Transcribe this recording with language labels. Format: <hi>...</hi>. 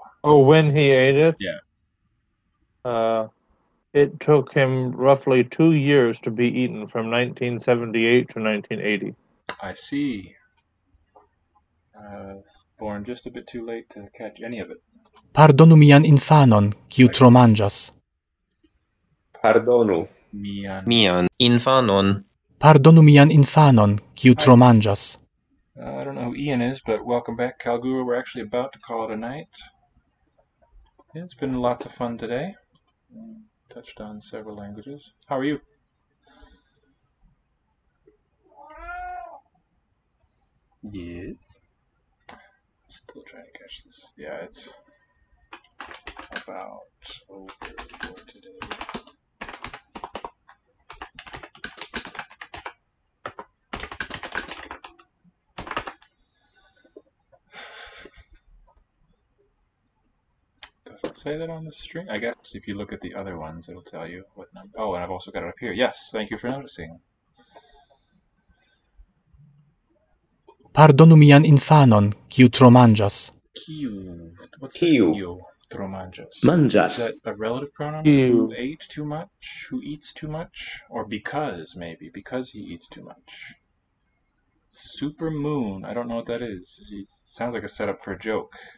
<en>Oh, when he ate it? Yeah. It took him roughly 2 years to be eaten, from 1978 to 1980. I see. I was born just a bit too late to catch any of it.</en> <eo>Pardonu mian infanon, kiu tro mangas. Pardonu mian infanon. Pardonu mian infanon, kiu tro mangas.</eo> <en>I don't know who Ian is, but welcome back, Calguru. We're actually about to call it a night. Yeah, it's been lots of fun today. Touched on several languages. How are you? Yes. Still trying to catch this. Yeah, it's about over for today. Say that on the stream. I guess if you look at the other ones, it'll tell you what number. Oh, and I've also got it up here. Yes, thank you for noticing.</en> <eo>Pardonu mian infanon, kiu tro mangas.</eo> <en>Kiu. What's</en> <eo>kiu tro mangas? Mangas.</eo> <en>Is that a relative pronoun? Kiu. Who ate too much? Who eats too much? Or because, maybe. Because he eats too much. Super moon. I don't know what that is. He sounds like a setup for a joke.</en>